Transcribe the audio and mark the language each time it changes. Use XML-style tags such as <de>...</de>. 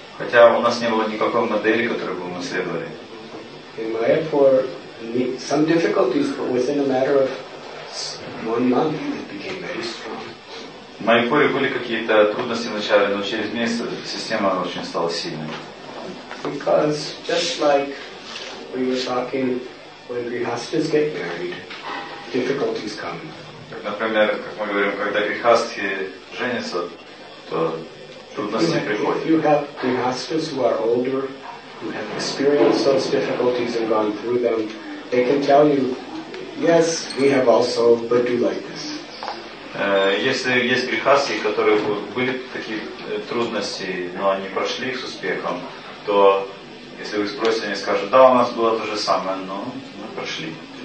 <ru>Хотя у нас не было никакой модели, которую бы мы следовали.</ru> <en>In Mayapur, some difficulties, but within a matter of 1 month, it became very strong.</en> <ru>В Майпуре были какие-то трудности вначале, но через месяц система очень стала сильной.</ru> <en>Because just like we were talking, when grihasthas get married, difficulties come.</en> <ru>Например, как мы говорим, когда грихастхи женятся, то трудности приходят.</ru> <en>If you have grihasthas who are older, who have experienced those difficulties and gone through them, they can tell you, yes, we have also, but do like this.</en> <ru>Если есть грехасы, которые были такие трудности, но они прошли их с успехом, то если вы спросите, они скажут, да, у нас было то же самое, но мы прошли.</ru>